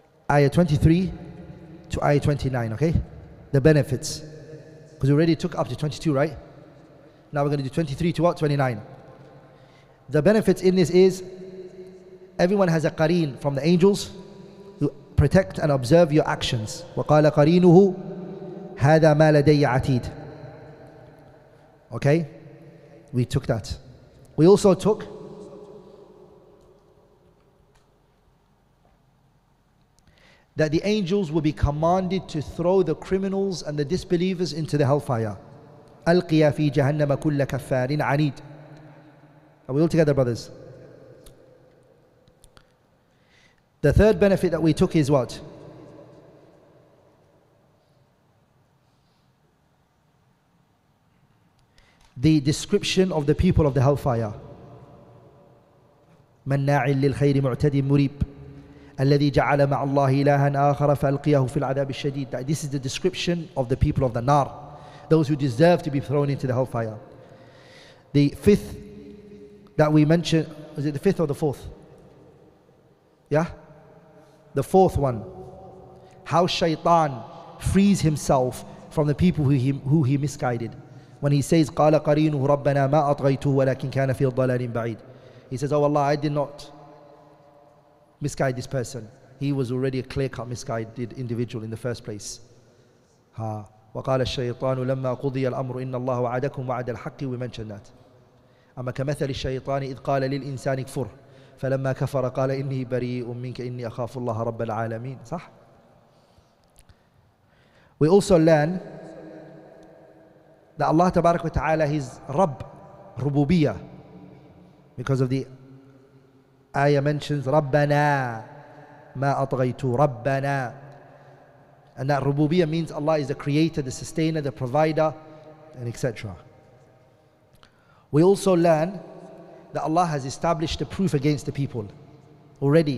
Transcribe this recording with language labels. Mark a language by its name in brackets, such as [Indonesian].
[English] Ayah 23 to ayah 29, okay? The benefits. Because we already took up to 22, right? Now we're going to do 23 to what? 29. The benefits in this is, everyone has a qareen from the angels who protect and observe your actions. [Arabic] وَقَالَ قَرِينُهُ هَذَا مَا لَدَيَّ عَتِيدٌ Okay? [English] We took that. We also took that the angels will be commanded to throw the criminals and the disbelievers into the hellfire. [Arabic] أَلْقِيَ فِي جَهَنَّمَ كُلَّ كَفَّارٍ عَنِيدٍ [English] Are we all together, brothers? The third benefit that we took is what? The description of the people of the hellfire. [Arabic] مَنَّاعٍ لِلْخَيْرِ مُعْتَدٍ مُرِيبٍ الَّذِي جَعَلَ مَعَ اللَّهِ إِلَهًا آخَرَ فَأَلْقِيَهُ فِي الْعَذَابِ الشَّدِيدِ [English] That this is the description of the people of the nar. Those who deserve to be thrown into the hellfire. The fifth that we mentioned, is it the fifth or the fourth? Yeah? The fourth one. How Shaytan frees himself from the people who he misguided. When he says, [Arabic] قَالَ قَرِينُهُ رَبَّنَا مَا أَطْغَيْتُهُ وَلَكِنْ كَانَ فِي الضَّلَالٍ بَعِيدٍ [English] He says, Oh Allah, I did not misguide this person. He was already a clear-cut misguided individual in the first place. [Arabic] وَقَالَ الشَّيْطَانُ لَمَّا قُضِيَ الْأَمْرُ إِنَّ اللَّهُ وَعَدَكُمْ وَعَدَ الْحَقِّ [English] We mentioned that. [Arabic] أَمَّا كَمَثَلِ الشَّيْطَانِ إِذْ قَالَ لِلْإِنسَانِ كفر فَلَمَّا كَفَرَ قَالَ إِنِّي بَرِيءٌ مِّنْكَ إِنِّي أَخَافُ اللَّهَ رَبَّ الْعَالَمِينَ صح؟ [English] We also learn that Allah تبارك وتعالى His Rabb, Rububiyyah. Because of the ayah mentions, [Arabic] رَبَّنَا مَا أَطْغَيْتُ رَبَّنَا [English] And that Rububiyyah means Allah is the creator, the sustainer, the provider, and etc. We also learn that Allah has established a proof against the people already.